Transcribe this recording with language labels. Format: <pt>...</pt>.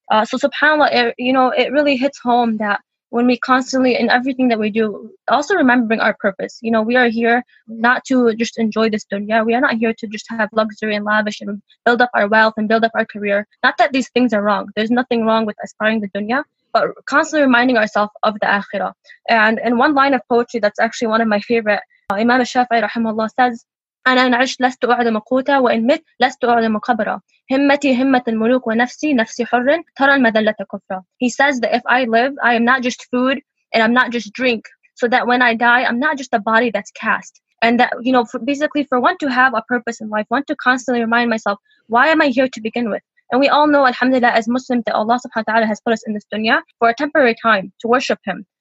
<en>So subhanAllah, it really hits home that when we constantly, in everything that we do, also remembering our purpose. You know, we are here not to just enjoy this dunya. We are not here to just have luxury and lavish and build up our wealth and build up our career. Not that these things are wrong. There's nothing wrong with aspiring the dunya, but constantly reminding ourselves of the akhirah. And in one line of poetry that's actually one of my favorite, Imam al-Shafi'i rahimahullah says,</en> <ar>أنا إن عشت لست أعلم قوتا وإن مت لست أعلم قبرا همتي همة الملوك ونفسي نفسي حر ترى المذلة كفرا.</ar> <en>He says that if I live, I am not just food and I'm not just drink, so that when I die, I'm not just a body that's cast. And that, you know, for one to have a purpose in life, one to constantly remind myself, why am I here to begin with? And we all know, alhamdulillah, as Muslims, that Allah subhanahu wa ta'ala has put us in this dunya for a temporary time to worship Him.</en>